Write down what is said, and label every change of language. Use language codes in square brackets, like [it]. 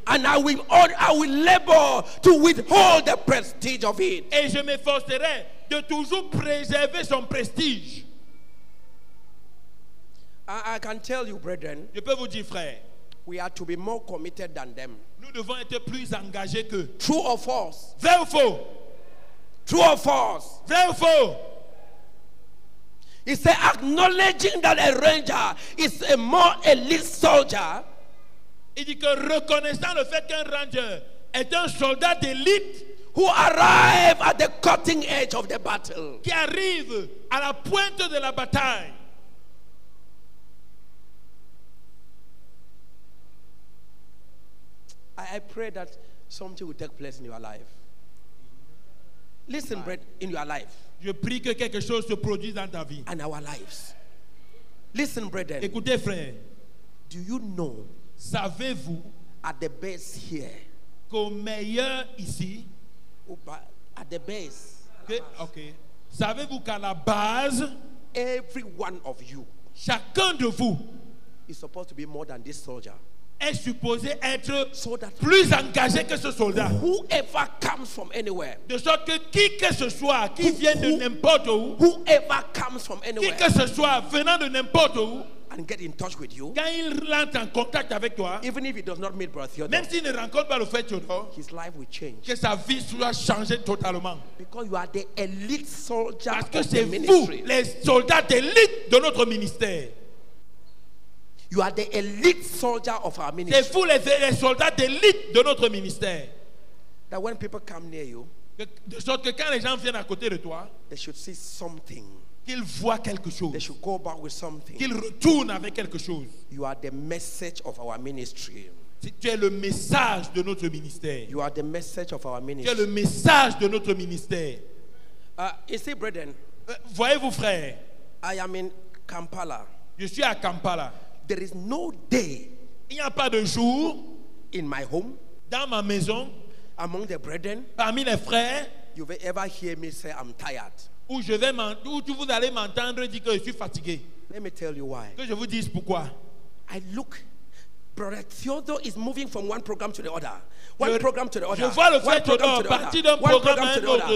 [en] And I will labor to withhold the prestige of it. [fr] Et je m'efforcerai de toujours préserver son prestige. [en] I can tell you, brethren. [fr] Je peux vous dire, frères. [en] We are to be more committed than them. [fr] Nous devons être plus engagés que. [en] True or false? [fr] Vrai ou faux? [en] True or false? [fr] Vrai ou faux? [en] He said, acknowledging that a ranger is a more elite soldier. [fr] Il dit que reconnaissant le fait qu'un ranger est un soldat d'élite. [en] Who arrive at the cutting edge of the battle. [fr] Qui arrive à la pointe de la bataille. [en] I pray that something will take place in your life. Listen, Brett, in your life. [fr] Je prie que quelque chose se produise dans ta vie. [en] And our lives. Listen, brethren. [fr] Écoutez, frère. [en] Do you know? [fr] Savez-vous? [en] At the best here. [fr] Qu'au meilleur ici. [en] At the best. [fr] Okay. Savez-vous qu'à la base. [en] Every one of you. [fr] Chacun de vous. [en] Is supposed to be more than this soldier. [fr] Est supposé être plus engagé que ce soldat. [en] Whoever comes from anywhere. [fr] De sorte que ce soit qui vient de n'importe où. [en] Whoever comes from anywhere. [fr] Qui que ce soit venant de n'importe où. [en] And get in touch with you. [fr] Quand il rentre en contact avec toi. [en] Even if he does not meet Brother Theodore. [fr] Même s'il ne rencontre pas le frère Theodore. [en] His life will change. [fr] Que sa vie soit changée totalement. [en] Because you are the elite soldier. [fr] Parce que c'est vous les soldats d'élite de notre ministère. [en] You are the elite soldier of our ministry. [fr] C'est vous les soldats d'élite de notre ministère. [en] That when people come near you, [fr] de sorte que quand les gens viennent à côté de toi, [en] they should see something. [fr] Qu'ils voient quelque chose. [en] They should go back with something. [fr] Qu'ils retournent avec quelque chose. [en] You are the message of our ministry. [fr] Tu es le message de notre ministère. [en] You are the message of our ministry. [fr] Tu es le message de notre ministère. [en] You see, brethren. [fr] Voyez-vous, frère. [en] I am in Kampala. [fr] Je suis à Kampala. [en] There is no day. [fr] Il n'y a pas de jour. [en] In my home. [fr] Dans ma maison. [en] Among the brethren. [fr] Parmi les frères. [en] You will ever hear me say I'm tired. [fr] Vous allez m'entendre dire que je suis fatigué. [en] Let me tell you why. [fr] Que je vous dise pourquoi. [en] I look. Brother Theodore is moving from one program to the other. One program to the other. [fr] Je vois le frère Theodore partir d'un programme à un autre.